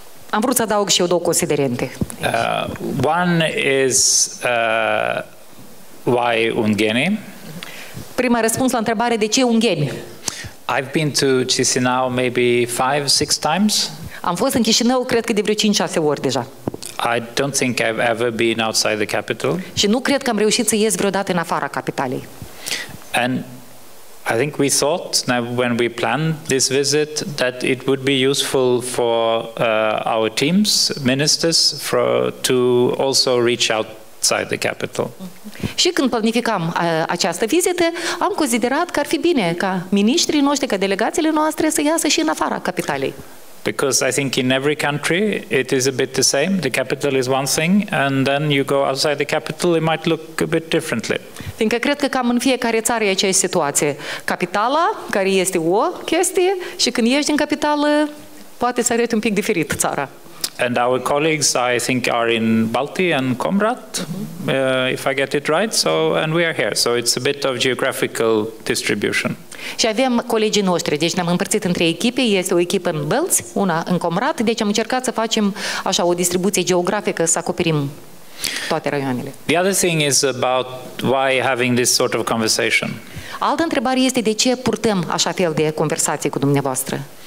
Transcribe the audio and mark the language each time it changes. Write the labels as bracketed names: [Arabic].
[Romanian] Am vrut să adaug și eu două considerente. [English] One is why Ungheni? [Romanian] Prima răspuns la întrebare, de ce Ungheni? [English] I've been to Chisinau maybe 5-6 times. [Romanian] Am fost în Chișinău, cred că de vreo 5-6 ori deja. [English] I don't think I've ever been outside the capital. [Romanian] Și nu cred că am reușit să ies vreodată în afara capitalei. [English] And I think we thought when we planned this visit that it would be useful for our teams, ministers, to also reach outside the capital. [Romanian] Și când planificam această vizită, am considerat că ar fi bine ca miniștrii noștri, ca delegațiile noastre să iasă și în afara capitalei. [English] Because I think in every country it is a bit the same. The capital is one thing and then you go outside the capital it might look a bit differently. [Romanian] Fiindcă cred că cam în fiecare țară e aceeași situație. Capitala, care este o chestie, și când ieși din capitală poate să arăți un pic diferit țara. [English] And our colleagues I think are in Balti and Comrat, if I get it right, so and we are here. So it's a bit of geographical distribution. [Romanian] Și avem colegii noștri, deci ne-am împărțit în trei echipe, este o echipă în Bălți, una în Comrat, deci am încercat să facem așa o distribuție geografică, să acoperim toate raioanele. [English] The other thing is about why having this sort of conversation. [Romanian] Altă întrebare este de ce purtăm așa fel de conversații cu dumneavoastră.